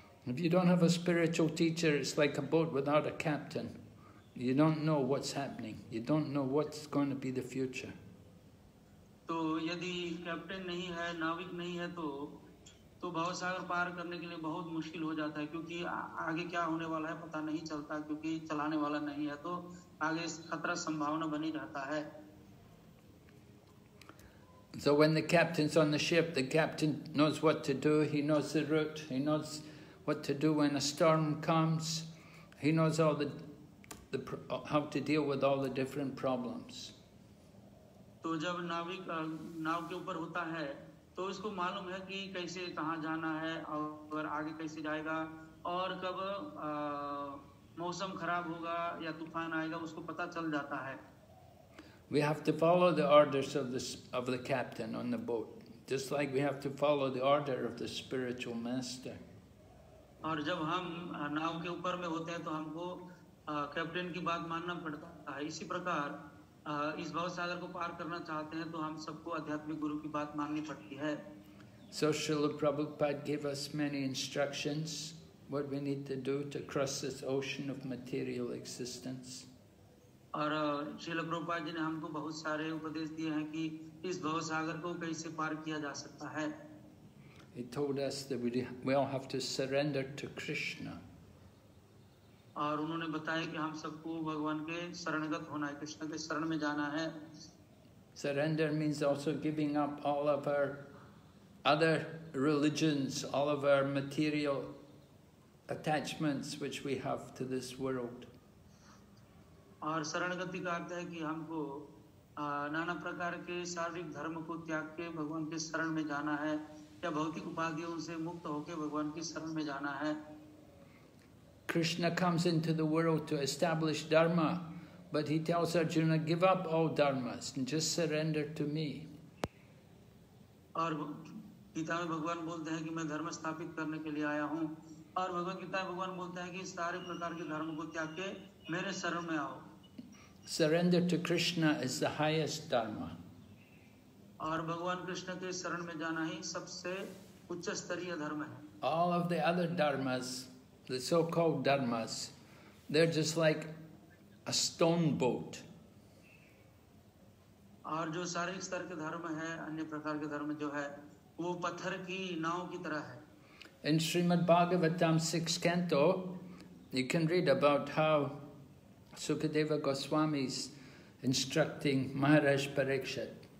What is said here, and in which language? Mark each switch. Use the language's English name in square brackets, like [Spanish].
[English] If you don't have a spiritual teacher it's like a boat without a captain you don't know what's happening you don't know what's going to be the future [Hindi] तो यदि captain नहीं है नाविक नहीं है तो भवसागर पार करने के लिए बहुत मुश्किल हो जाता है क्योंकि आगे क्या होने वाला है पता नहीं चलता क्योंकि चलाने वाला नहीं है तो आगे खतरा संभावना बनी रहता है [English] So when the captain's on the ship the captain knows what to do he knows the route he knows what to do when a storm comes he knows all the how to deal with all the different problems [Hindi] तो जब नाविक नाव के ऊपर होता है तो इसको मालूम है कि कैसे कहाँ जाना है और आगे कैसे जाएगा और कब मौसम खराब होगा या तूफान आएगा उसको पता चल जाता है। [English] We have to follow the orders of the captain on the boat, just like we have to follow the order of the spiritual master. [Hindi] और जब हम नाव के ऊपर में होते हैं तो हमको कैप्टन की बात मानना पड़ता है इसी प्रकार इस भवसागर को पार करना चाहते हैं तो हम सबको आध्यात्मिक गुरु की बात माननी पड़ती है. [English] So Srila Prabhupada gave us many instructions what we need to do to cross this ocean of material existence. [Hindi] और श्रील प्रभुपाद जी ने हमको बहुत सारे उपदेश दिए हैं कि इस भवसागर को कैसे पार किया जा सकता है. [English] He told us that we all have to surrender to Krishna. [Hindi] और उन्होंने बताया कि हम सबको भगवान के शरणगत होना है, कृष्ण के शरण में जाना है. [English] Surrender means also giving up all of our other religions, all of our material attachments which we have to this world. [Hindi] और शरणगति का अर्थ है कि हमको नाना प्रकार के शारीरिक धर्म को त्याग के भगवान के शरण में जाना है, या भौतिक उपाधियों से मुक्त होकर भगवान की शरण में जाना है. [English] Krishna comes into the world to establish dharma, but he tells Arjuna, give up all dharmas and just surrender to me. [Hindi] और गीता में भगवान बोलते हैं कि मैं धर्म स्थापित करने के लिए आया हूं, और भगवान गीता में भगवान बोलते हैं कि सारे प्रकार के धर्म को त्याग के मेरे शरण में आओ. [English] Surrender to Krishna is the highest dharma. [Hindi] और भगवान कृष्ण के शरण में जाना ही सबसे उच्च स्तरीय धर्म है. [English] All of the other dharmas, the so-called dharmas, they're just like a stone boat. [Hindi] और जो शारीरिक स्तर के धर्म है, अन्य प्रकार के धर्म जो है, वो पत्थर की नाव की तरह है. [English] In Srimad Bhagavatam 6th canto, you can read about how Sukadeva Goswami is instructing Maharaj Parikshit.